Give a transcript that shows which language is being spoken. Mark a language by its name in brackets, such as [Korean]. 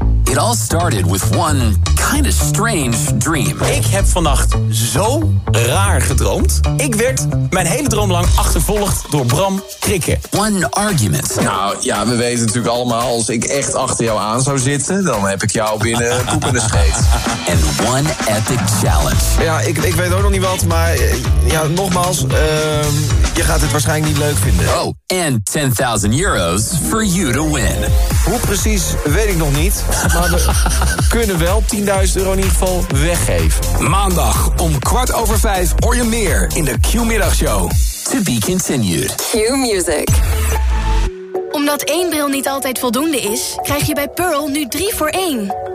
[English] It all started with one kind of strange dream. [Dutch] Ik heb vannacht zo raar gedroomd. Ik werd mijn hele droom lang achtervolgd door Bram Krikken. [English] One argument. [Dutch] Nou ja, we weten natuurlijk allemaal, als ik echt achter jou aan zou zitten, dan heb ik jou binnen koep en een scheet. [English] And one epic challenge. [Dutch] Ja, ik weet ook nog niet wat, maar ja, nogmaals, je gaat het waarschijnlijk niet leuk vinden. [English] Oh, and 10.000 euros for you to win. [Dutch] Hoe precies, weet ik nog niet. Maar we kunnen wel 10.000 euro in ieder geval weggeven. Maandag om 16:45 hoor je meer in de Q-middagshow. [English] To be continued. Q-music. [Dutch] Omdat één bril niet altijd voldoende is, krijg je bij Pearl nu 3 voor 1.